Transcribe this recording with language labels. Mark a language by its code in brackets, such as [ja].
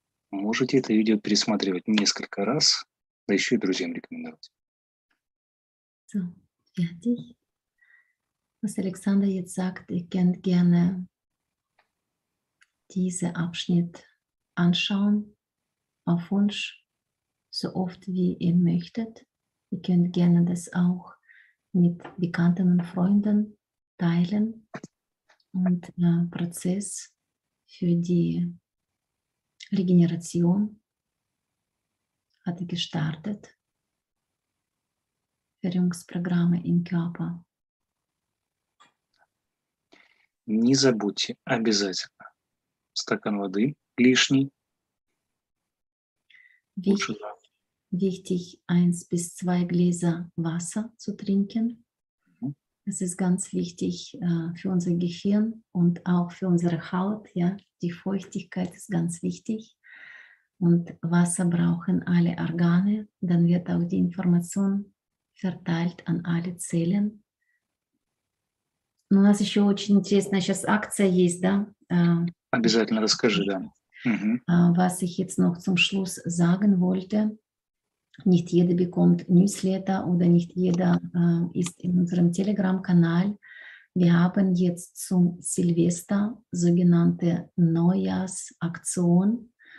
[ru] Можете это видео пересматривать несколько раз, да еще и друзьям рекомендовать. [de] So, fertig. Was Alexander jetzt sagt, ihr könnt gerne diesen Abschnitt anschauen, auf Wunsch, so oft wie ihr möchtet. Ihr könnt gerne das auch mit Bekannten und Freunden teilen und den Prozess für die Regeneration hat gestartet. Führungsprogramme im Körper. [ru] Не забудьте обязательно стакан воды лишний. [de] Wichtig, 1-2 Gläser Wasser zu trinken. Das ist ganz wichtig für unser Gehirn und auch für unsere Haut. Ja? Die Feuchtigkeit ist ganz wichtig. Und Wasser brauchen alle Organe. Dann wird auch die Information verteilt an alle Zellen. [ru] У нас еще очень интересная сейчас акция есть, да? Обязательно расскажи, да. [de] Was ich jetzt noch zum Schluss sagen wollte. Nicht jeder bekommt Newsletter oder nicht jeder ist in unserem Telegram-Kanal. Wir haben jetzt zum Silvester sogenannte Neujahrsaktion.